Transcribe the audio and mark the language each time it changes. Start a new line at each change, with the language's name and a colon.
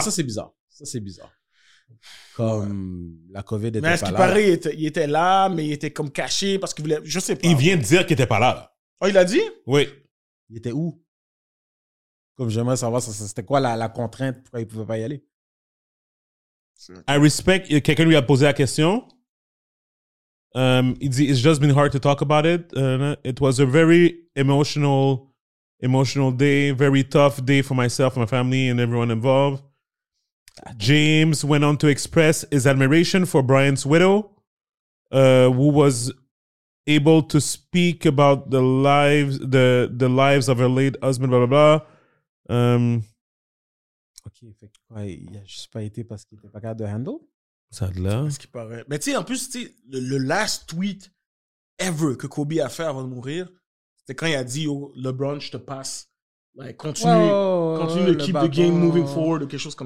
French: Ça, c'est bizarre. Ça, c'est bizarre. Comme la COVID était pas là. Mais est-ce qu'il paraît, il était là, mais il était comme caché parce qu'il voulait. Je sais pas. Il vient de dire qu'il était pas là. Oh, il l'a dit? Oui. Il était où? Comme j'aimerais savoir, ça, c'était quoi la contrainte pourquoi il ne pouvait pas y aller?
English: I respect.
French: Quelqu'un lui a posé la question. Il dit,
English: it's just been hard to talk about it. It was a very emotional day, very tough day for myself, my family, and everyone involved. James went on to express his admiration for Brian's widow, who was able to speak about the lives of her late husband, blah, blah, blah.
French: OK, fait que quoi, il a juste pas été parce qu'il était pas capable de handle? Ça de là. Ce qui paraît. Mais tu sais, en plus, tu sais, le
English: last tweet ever
French: que Kobe a fait avant de mourir, c'était quand il a dit, oh, LeBron, je te passe. Ouais, continue l'équipe,
English: the game moving forward,
French: ou quelque chose comme